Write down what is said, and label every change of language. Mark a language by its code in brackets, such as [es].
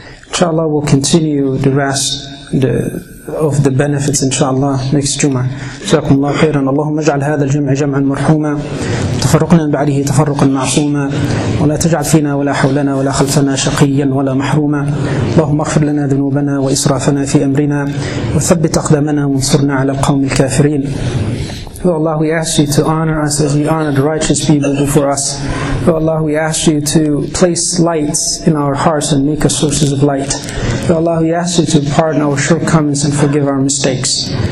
[en] Inshallah, we'll continue the rest of the benefits, inshallah, next Jum'ah. [ar] جزاكم الله خيرا. اللهم اجعل هذا الجمع جمعا مرحوما. تفرقنا بعده تفرقا معصوما. ولا تجعل فينا ولا حولنا ولا خلفنا شقيا ولا محروما. اللهم اغفر لنا ذنوبنا وإسرافنا في أمرنا. وثبت أقدامنا وانصرنا على القوم الكافرين. [en] Oh Allah, we ask you to honor us as you honor the righteous people before us. Oh Allah, we ask you to place lights in our hearts and make us sources of light. Oh Allah, we ask you to pardon our shortcomings and forgive our mistakes.